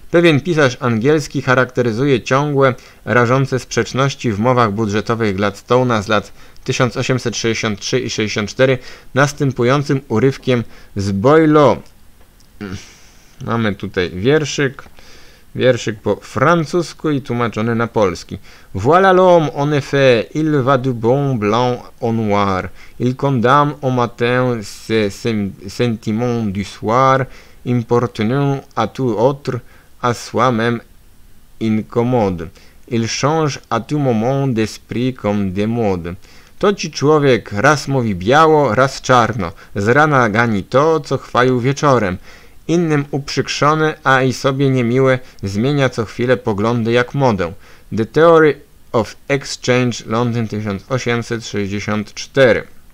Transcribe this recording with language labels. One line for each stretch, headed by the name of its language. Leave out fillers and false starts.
Polish: Pewien pisarz angielski charakteryzuje ciągłe, rażące sprzeczności w mowach budżetowych Gladstone'a z lat 1863 i 64 następującym urywkiem z Boileau. Mamy tutaj wierszyk. Wierszyk po francusku i tłumaczony na polski.
French: Voilà l'homme, en effet, il va du bon blanc au noir. Il condamne au matin ses sentiments du soir, importunant à tout autre, à soi-même incommode. Il change à tout moment d'esprit comme de mode.
Polish: To ci człowiek raz mówi biało, raz czarno. Z rana gani to, co chwalił wieczorem. Innym uprzykrzony, a i sobie niemiłe, zmienia co chwilę poglądy jak modę.
English: The Theory of Exchange, London 1864.